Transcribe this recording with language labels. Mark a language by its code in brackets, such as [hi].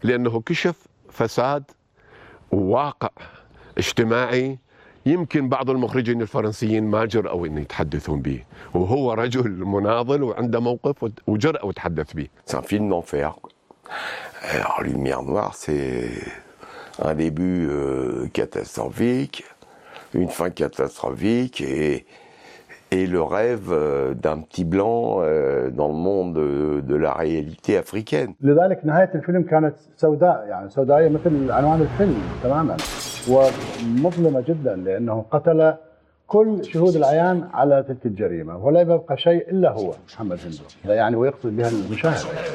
[ar] لأنه كشف فساد وواقع اجتماعي يمكن بعض المخرجين الفرنسيين ما جرأوا أن يتحدثون به وهو رجل مناضل وعنده موقف وجرأوا تحدث به. [fr] C'est un film d'enfer. Alors, Lumière Noire, c'est un début catastrophique, une fin catastrophique et le rêve d'un petit blanc dans le monde de la réalité africaine. [ar] لذلك نهاية الفيلم كانت سوداء, يعني سوداية مثل عنوان الفيلم تماما ومظلمة جدا لأنه قتل كل شهود العيان على تلك الجريمة ولا يبقى شيء إلا هو محمد هندو, يعني ويقصد بها المشاهد.